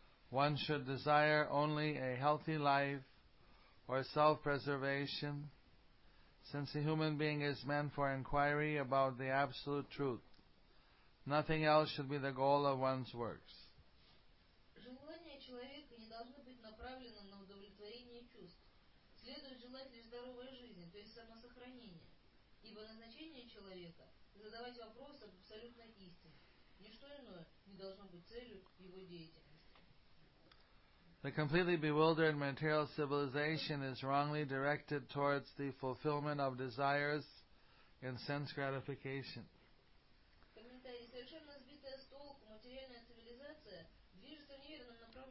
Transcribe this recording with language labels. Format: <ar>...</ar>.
<en>One should desire only a healthy life or self-preservation, since a human being is meant for inquiry about the absolute truth. Nothing else should be the goal of one's works.</en> <ru>Желание человека не должно быть направлено на удовлетворение чувств. Следует желать лишь здоровой жизни, то есть самосохранения. Ибо назначение человека – задавать вопрос об абсолютной истине. Ничто иное не должно быть целью его деятельности.</ru> <en>The completely bewildered material civilization is wrongly directed towards the fulfillment of desires and sense gratification.</en> <ru>Комментарий. Совершенно сбитая с толку материальная цивилизация –</ru>